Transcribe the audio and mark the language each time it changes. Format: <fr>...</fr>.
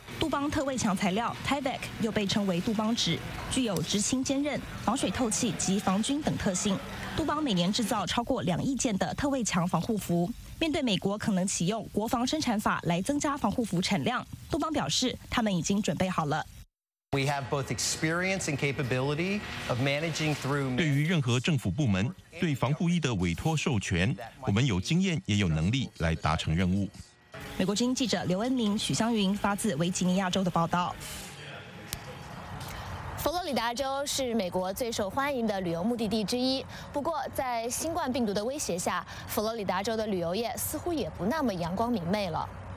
<zh>杜邦特卫强材料 Tyvek 又被称为杜邦纸，具有直轻坚韧、防水透气及防菌等特性。杜邦每年制造超过2亿件的特卫强防护服。面对美国可能启用国防生产法来增加防护服产量，杜邦表示他们已经准备好了。</zh> <en>We have both experience and capability of managing through.</en> <zh>对于任何政府部门对防护衣的委托授权，我们有经验也有能力来达成任务。美国之音记者刘恩明、许湘云发自维吉尼亚州的报道。佛罗里达州是美国最受欢迎的旅游目的地之一，不过在新冠病毒的威胁下，佛罗里达州的旅游业似乎也不那么阳光明媚了。</zh>